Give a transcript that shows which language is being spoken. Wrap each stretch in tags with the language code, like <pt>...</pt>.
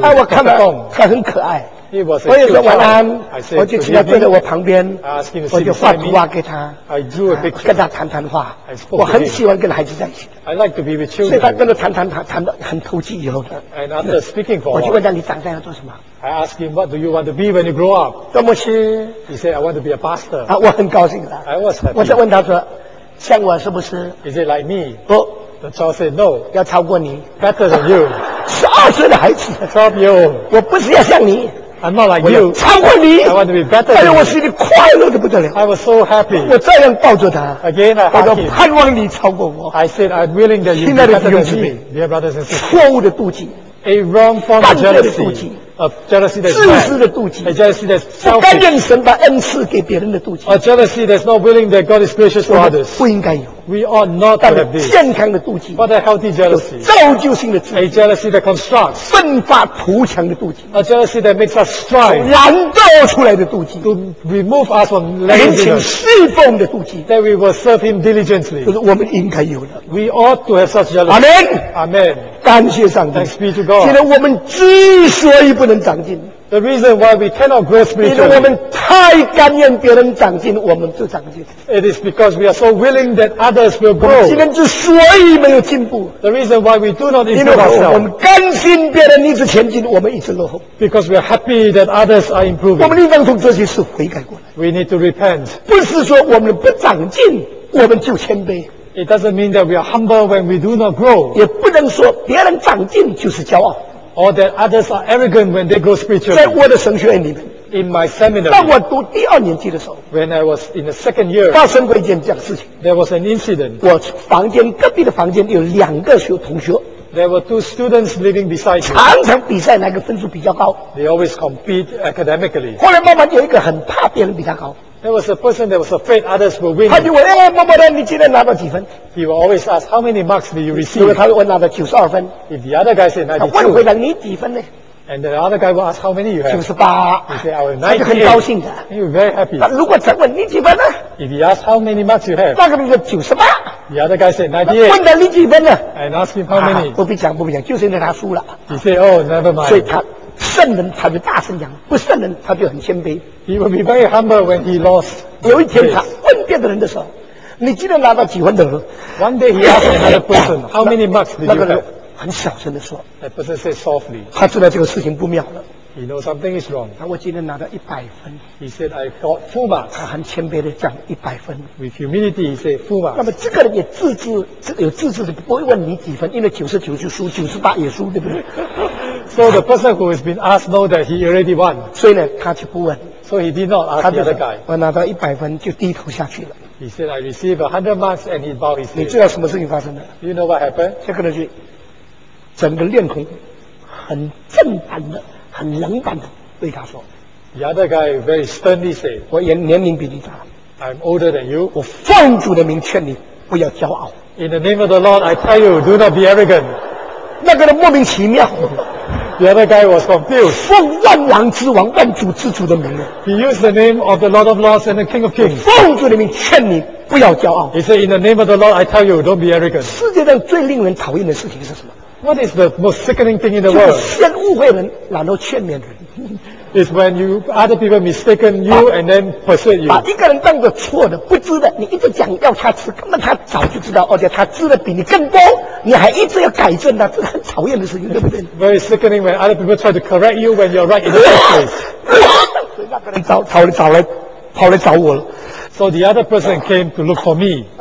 <zh>哎，我看到他很可爱。我也说晚安，我就请他坐在我旁边，我就画图画给他，跟他谈谈话。我很喜欢跟孩子在一起，所以他跟他谈谈谈谈的很投机以后的。我就问他你长大要做什么？</zh> <en>I asked him, what do you want to be when you grow up?</en> <zh>多么是</zh> <en>He said, I want to be a pastor.</en> <zh>啊，我很高兴的。</zh> <en>I was happy.</en> <zh>我就问他说，像我是不是</zh> <en>Is it like me?</en> <zh>不。</zh> <en>The child said, no.</en> <zh>要超过你。</zh> <en>Better than you.</en> <zh>十二岁的孩子。</zh> <en>12 years old.</en> <zh>我不是要像你。</zh> <en>I'm not like you.</en> <zh>超过你。</zh> <en>I want to be better than you.</en> <zh>但是我心里快乐得不得了。</zh> <en>I was so happy.</en> <zh>我照样抱着他。</zh> <en>Again, I hugged him.</en> <zh>我盼望你超过我。</zh> <en>I said, I'm willing that you be better than me. Dear brothers and sisters.</en> <zh>错误的妒忌。</zh> <en>A wrong form of jealousy.</en> <zh>犯罪的妒忌。</zh> <en>Jealousy that's selfish.</en> <zh>不甘愿神把恩赐给别人的妒忌。</zh> <en>A jealousy that's not willing that God is gracious to others.</en> <zh>不应该有。</zh> <en>We ought not to have this.</en> <zh>健康的妒忌。</zh> <en>But a healthy jealousy.</en> <zh>造就性的妒忌。</zh> <en>A jealousy that constructs.</en> <zh>奋发图强的妒忌。</zh> <en>A jealousy that makes us strive.</en> <zh>燃烧出来的妒忌。</zh> <en>To remove us from laziness.</en> <zh>殷勤侍奉的妒忌。</zh> <en>That we will serve him diligently.</en> <zh>就是我们应该有的。</zh> <en>We ought to have such jealousy. Amen. Amen.</en> <zh>感谢上帝。</zh> <en>Thanks be to God.</en> <zh>现在我们之所以不能长进</zh> <en>The reason why we cannot grow spiritually,</en> <zh>因为我们太甘愿别人长进，我们就长进。</zh> <en>It is because we are so willing that others will grow.</en> <zh>今天之所以没有进步</zh> <en>The reason why we do not improve ourselves,</en> <zh>因为我们甘心别人一直前进，我们一直落后。</zh> <en>Because we are happy that others are improving.</en> <zh>我们应当从这些事悔改过来。</zh> <en>We need to repent.</en> <zh>不是说我们不长进，我们就谦卑。</zh> <en>It doesn't mean that we are humble when we do not grow.</en> <zh>也不能说别人长进就是骄傲。</zh> <en>Or that others are arrogant when they grow spiritually.</en> <zh>在我的神学院里面</zh> <en>In my seminary.</en> <zh>当我读第二年级的时候</zh> <en>When I was in the second year.</en> <zh>发生过一件这样的事情</zh> <en>There was an incident.</en> <zh>我房间隔壁的房间有两个学同学</zh> <en>There were two students living beside me.</en> <zh>常常比赛哪个分数比较高</zh> <en>They always compete academically.</en> <zh>后来慢慢有一个很怕别人比他高</zh> <en>There was a person that was afraid others will win.</en> <zh>他就问哎默默的你今天拿到几分</zh> <en>He will always ask, how many marks did you receive?</en> <zh>他会问他的92分。</zh> <en>If the other guy said 92,</en> <zh>他问回来你几分呢</zh> <en>And the other guy will ask, how many you have?</en> <zh>98。</zh> <en>He said, I have 98.</en> <zh>他就很高兴的。</zh> <en>He was very happy.</en> <zh>如果再问你几分呢</zh> <en>If he asked, how many marks you have?</en> <zh>那个人说98。</zh> <en>The other guy said 98.</en> <zh>问他你几分呢</zh> <en>And ask him how many.</en> <zh>不必讲不必讲，就是因为他输了。</zh> <en>He said, oh, never mind.</en> <zh>所以他胜人他就大声讲，不胜人他就很谦卑。</zh> <en>He would be very humble when he lost.</en> <zh>有一天他问别的人的时候。你今天拿到几分的人</zh> <en>One day he asked another person, how many marks did you have?</en> <zh>那个人很小声地说</zh> <en>That person said softly.</en> <zh>他知道这个事情不妙了</zh> <en>He knows something is wrong.</en> <zh>我今天拿到100分</zh> <en>He said, I got full marks.</en> <zh>他很谦卑地讲100分</zh> <en>With humility, he said, full marks.</en> <zh>那么这个人也自知，有自知的不会问你几分，因为99就输，98也输，对不对？</zh> <en>So the person who has been asked know that he already won.</en> <zh>所以呢，他就不问。</zh> <en>So he did not ask the other guy.</en> <zh>我拿到100分就低头下去了。</zh> <en>He said, I received 100 marks and he bowed his head.</en> <zh>你知道什么事情发生的</zh> <en>You know what happened?</en> <zh>这个人是整个练孔很正当的很冷淡的对他说</zh> <en>The other guy very sternly said,</en> <zh>我年龄比你大</zh> <en>I'm older than you.</en> <zh>我奉主的名劝你不要骄傲</zh> <en>In the name of the Lord, I tell you, do not be arrogant.</en> <zh>那个人莫名其妙</zh> <en>The other guy was confused.</en> <zh>奉万王之王万主之主的名字</zh> <en>He used the name of the Lord of Lords and the King of Kings.</en> <zh>奉主的名劝你不要骄傲</zh> <en>He said, in the name of the Lord, I tell you, don't be arrogant.</en> <zh>世界上最令人讨厌的事情是什么</zh> <en>What is the most sickening thing in the world?</en> <zh>就是先误会人然后劝勉人</zh> <en>It's when you, other people mistaken you and then persuade you.</en> <zh>把一个人当作错的不知的你一直讲要他吃根本他早就知道而且他知的比你更多你还一直要改正他、啊、这是很讨厌的事情对不对</zh> <en>Very sickening when other people try to correct you when you're right in the first place.</en> <zh>找来找我了 So the other person came to look for me.</zh>